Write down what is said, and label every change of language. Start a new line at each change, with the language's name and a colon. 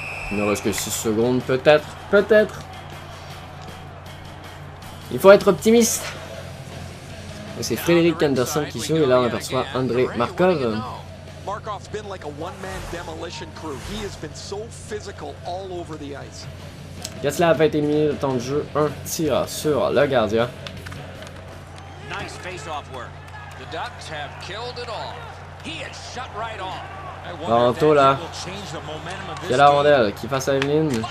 French: Il ne reste que 6 secondes, peut-être, peut-être. Il faut être optimiste. Et c'est Frédéric Anderson qui joue, et là on aperçoit André Markov.
English: Markov's been like a one-man demolition crew. He has been so physical all over the ice.
French: Getzla a 21 minutes de temps de jeu, un tir sur le gardien.
English: Nice face-off work. The Ducks have killed it all. He has shut right off.
French: Toronto là, il y a la rondelle qui passe à Evelyne.